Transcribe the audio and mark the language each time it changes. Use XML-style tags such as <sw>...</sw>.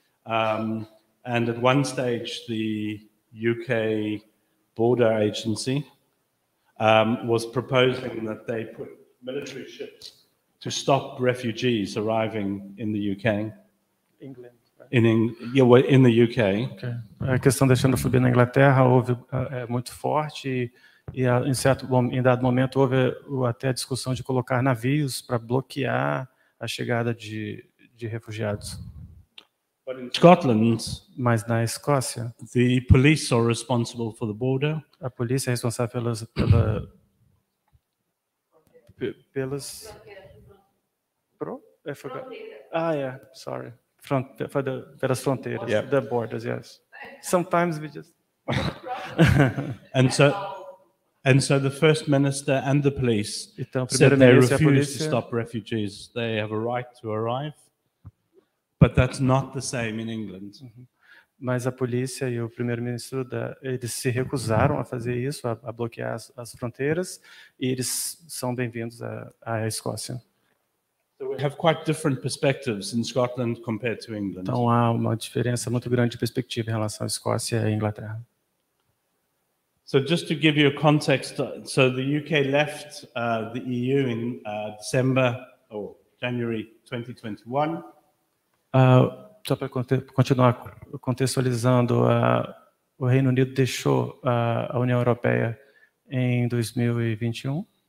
<en>And at one stage the UK border agency was proposing that they put military ships to stop refugees arriving in the UK. England. In the UK.</en> <pt>Okay. A questão da xenofobia na Inglaterra houve muito forte em dado momento houve até a discussão de colocar navios para bloquear a chegada de refugiados.</pt> <en>But in Scotland,</en> <pt>mas na Escócia,</pt> <en>the police are responsible for the border.</en> <pt>A polícia é responsável pelas pelas fronteiras,</pt> <en>yeah. The borders, yes. Sometimes we just and so the first minister and the police said they refuse to stop refugees. They have a right to arrive, but that's not the same in England.</en> <pt>Mas a polícia e o primeiro-ministro eles se recusaram a fazer isso, a bloquear as fronteiras, e eles são bem-vindos à Escócia.</pt> <en>So we have quite different perspectives in Scotland compared to England.</en> <pt>Então há uma diferença muito grande de perspectiva em relação à Escócia e à Inglaterra.</pt> <en>So just to give you a context, so the UK left the EU in January 2021.</en> <pt>Só para continuar contextualizando, o Reino Unido deixou a União Europeia em 2021.</pt>